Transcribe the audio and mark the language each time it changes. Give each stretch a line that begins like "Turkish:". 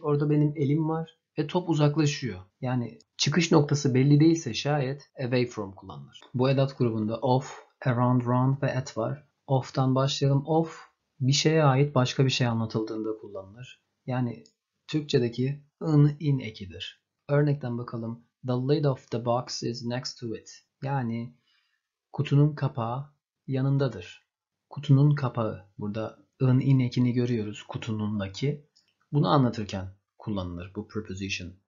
Turkish: Orada benim elim var ve top uzaklaşıyor. Yani çıkış noktası belli değilse şayet away from kullanılır. Bu edat grubunda of, around, round ve at var. Of'tan başlayalım. Of bir şeye ait başka bir şey anlatıldığında kullanılır. Yani Türkçedeki ın in ekidir. Örnekten bakalım.
English: The lid of the box is next to it.
Turkish: Yani kutunun kapağı yanındadır. Kutunun kapağı burada ın in ekini görüyoruz kutunundaki. Bunu anlatırken kullanılır bu preposition.